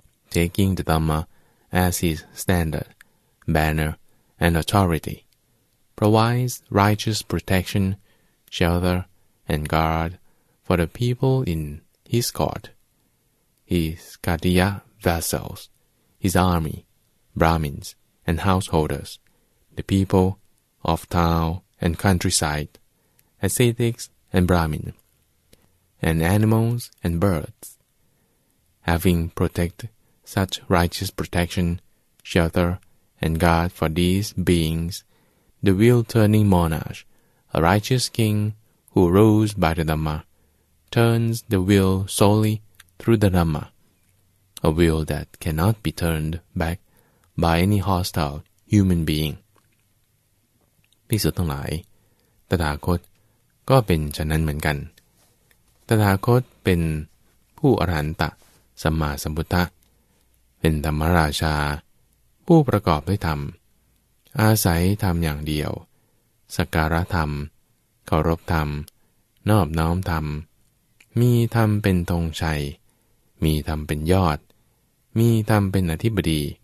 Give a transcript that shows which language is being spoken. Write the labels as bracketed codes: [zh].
[en] taking the Dhammaas his standard, banner, and authority, provides righteous protection, shelter, and guard for the people in his court, his Kadiya vassals, his army, Brahmins, and householders, the people of town and countryside, ascetics and Brahmin, and animals and birds. Having protectedsuch righteous protection, shelter, and guard for these beings, the will-turning monarch, a righteous king who rules by the Dhamma, turns the will solely through the Dhamma, a will that cannot be turned back by any hostile human being. [th] ภิกษุทั้งหลายตถาคตก็เป็นฉะนั้นเหมือนกันตถาคตเป็นผู้อรหันตสัมมาสัมพุทธะเป็นธรรมราชาผู้ประกอบด้วยธรรมอาศัยธรรมอย่างเดียวสักการะธรรมเคารพธรรมนอบน้อมธรรมมีธรรมเป็นธงชัยมีธรรมเป็นยอดมีธรรมเป็นอธิบดี